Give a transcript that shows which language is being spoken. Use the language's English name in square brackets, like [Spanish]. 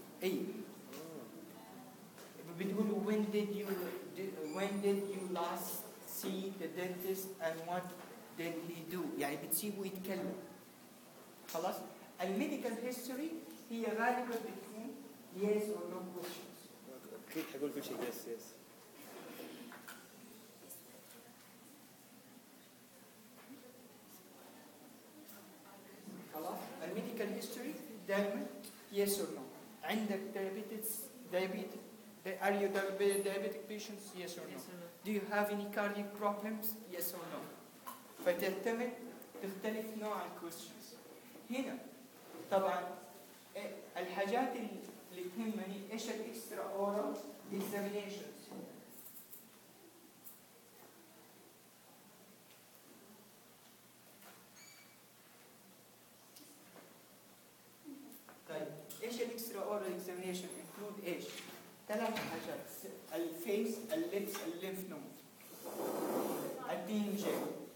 [Arabic] أي بتقول [English] when did you last see the dentist and what did he do، [Arabic] يعني بتسيبه يتكلم. خلاص الميديكال هيستوري هي غالبا بتكون [English] yes or no questions. [Arabic] أكيد حقول كل شيء [English] yes yes. [Arabic] خلاص ال medical history دائما [English] yes or no. [Arabic] عندك [English] diabetes are you diabetic patients yes or no. Do you have any cardiac problems yes or no. [Arabic] فتعتمد تختلف نوع ال questions. هنا طبعا الحاجات اللي تهمني ايش [English] الاكسترا oral examinations? [Arabic] طيب ايش [English] الاكسترا oral examination include? [Arabic] ايش ثلاث حاجات؟ [English] الفيس الليبس الليمف نود الدي ام جي.